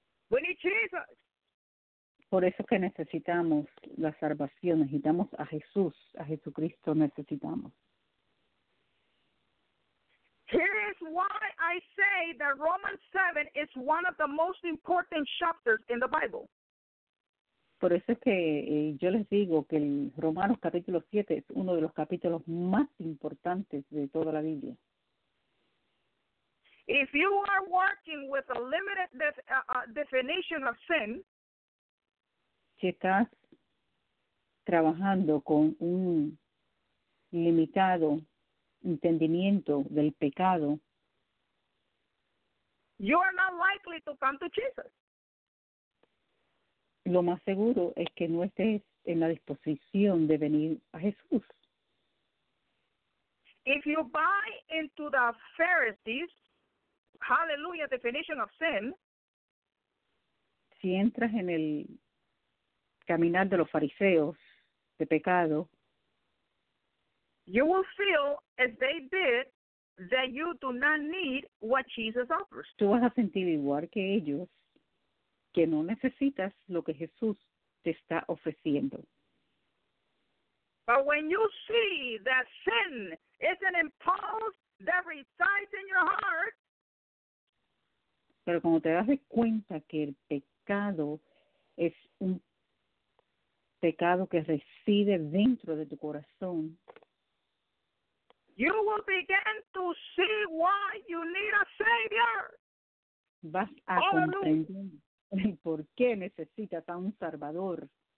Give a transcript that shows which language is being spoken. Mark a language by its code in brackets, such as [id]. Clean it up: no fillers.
[en] We need Jesus. [es] Por eso que necesitamos la salvación, necesitamos a Jesús, a Jesucristo necesitamos. [en] Here is why I say that Romans 7 is one of the most important chapters in the Bible. [es] Por eso es que yo les digo que el Romanos capítulo 7 es uno de los capítulos más importantes de toda la Biblia. [en] If you are working with a limited definition of sin, [es] si estás trabajando con un limitado entendimiento del pecado, [en] you are not likely to come to Jesus. [es] Lo más seguro es que no estés en la disposición de venir a Jesús. [en] If you buy into the Pharisees, hallelujah, definition of sin, [es] si entras en el caminar de los fariseos de pecado, [en] you will feel as they did that you do not need what Jesus offers. [es] Tú vas a sentir igual que ellos que no necesitas lo que Jesús te está ofreciendo. [en] But when you see that sin is an impulse that resides in your heart, [es] pero cuando te das cuenta que el pecado es un pecado que reside dentro de tu corazón, [en] you will begin to see why you need a Savior. [es] Vas a comprender por qué necesitas a un Salvador.